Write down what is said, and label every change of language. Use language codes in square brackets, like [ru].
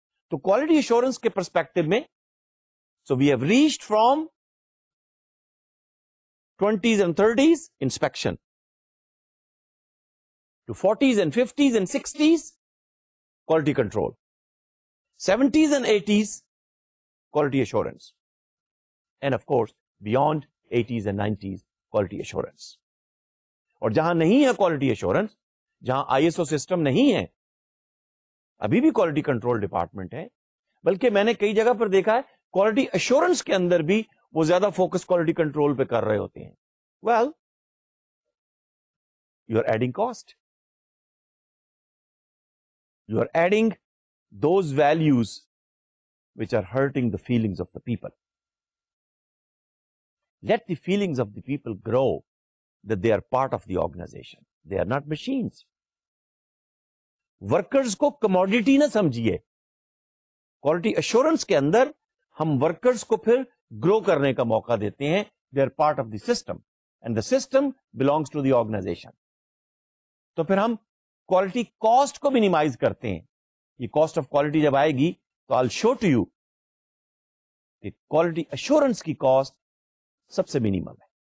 [ur] تو quality assurance کے perspective میں, [en] So we have reached from 20s and 30s inspection to 40s and 50s and 60s quality control, 70s and 80s quality assurance, and of course beyond 80s and 90s quality assurance. [ur] اور جہاں نہیں ہے quality assurance, جہاں ISO system نہیں ہے, ابھی بھی quality control department ہے, بلکہ میں نے کئی جگہ پر دیکھا ہے کوالٹی ایشورنس کے اندر بھی وہ زیادہ فوکس کوالٹی کنٹرول پہ کر رہے ہوتے ہیں. [en] Well, you are adding cost, you are adding those values which are hurting the feelings of the people. Let the feelings of the people grow that they are part of the organisation, they are not machines. [ur] Workers کو commodity نہ سمجھیے. Quality assurance کے اندر ہم workers کو پھر گرو کرنے کا موقع دیتے ہیں, [en] They are part of the system and the system belongs to the organisation. [ur] تو پھر ہم کوالٹی کاسٹ کو مینیمائز کرتے ہیں. یہ کاسٹ آف کوالٹی جب آئے گی تو [en] I show to you [ur] کہ کوالٹی ایشورنس کی کاسٹ سب سے مینیمم ہے.